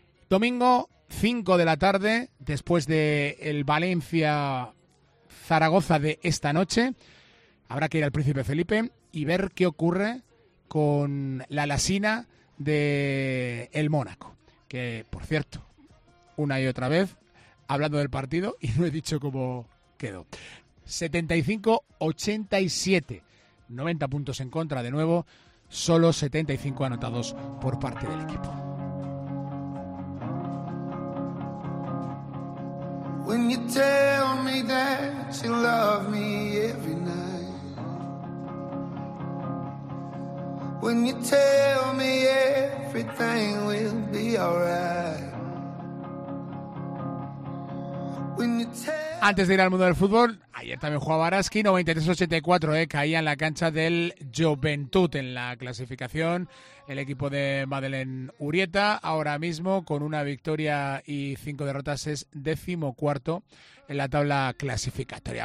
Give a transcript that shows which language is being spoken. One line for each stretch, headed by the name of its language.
Spanish: Domingo, 5 de la tarde, después del Valencia-Zaragoza de esta noche, habrá que ir al Príncipe Felipe y ver qué ocurre con la lasina de el Mónaco, que por cierto una y otra vez hablando del partido y no he dicho cómo quedó. 75-87, 90 puntos en contra de nuevo, solo 75 anotados por parte del equipo.
English: When you tell me that you love me every night. When you tell me everything will be alright.
Spanish: Antes de ir al mundo del fútbol, ayer también jugaba Araski, 93-84, caía en la cancha del Joventut en la clasificación. El equipo de Madeleine Urieta, ahora mismo con una victoria y cinco derrotas, es decimocuarto en la tabla clasificatoria.